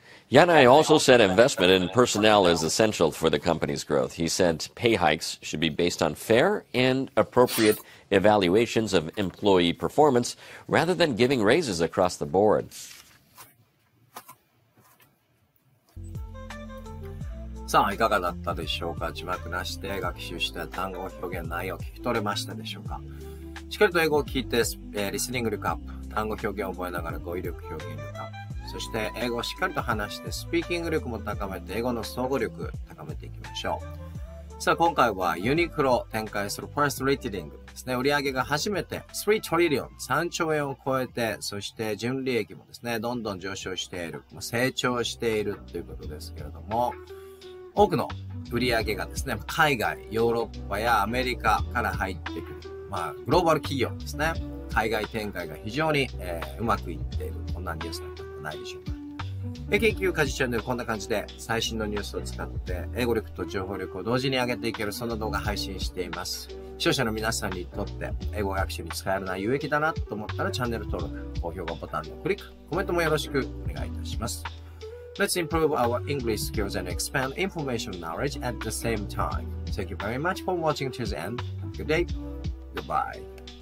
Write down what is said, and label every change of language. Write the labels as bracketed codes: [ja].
[en] Yanai also said investment in personnel is essential for the company's growth. He said pay hikes should be based on fair and appropriate evaluations of employee performance rather than giving raises across the board. [ja] さあ、いかがだったでしょうか。字幕なしで学習した単語表現内容を聞き取れましたでしょうか。しっかりと英語を聞いて、リスニング力アップ、単語表現を覚えながら語彙力表現力アップ、そして英語をしっかりと話してスピーキング力も高めて英語の総合力を高めていきましょう。さあ、今回はユニクロ展開するファーストリテイリングですね、売上が初めて3トリリオン、3兆円を超えて、そして純利益もですね、どんどん上昇している、成長しているということですけれども、多くの売上がですね、海外、ヨーロッパやアメリカから入ってくる、まあ、グローバル企業ですね。海外展開が非常に、うまくいっている、こんなニュースなんじゃないでしょうか。研究家事チャンネル、こんな感じで最新のニュースを使って英語力と情報力を同時に上げていける、そんな動画配信しています。視聴者の皆さんにとって英語学習に使えるな、有益だなと思ったらチャンネル登録、高評価ボタンのクリック、コメントもよろしくお願いいたします。 [en] Let's improve our English skills and expand information knowledge at the same time. Thank you very much for watching till the end. Have a good day. Goodbye.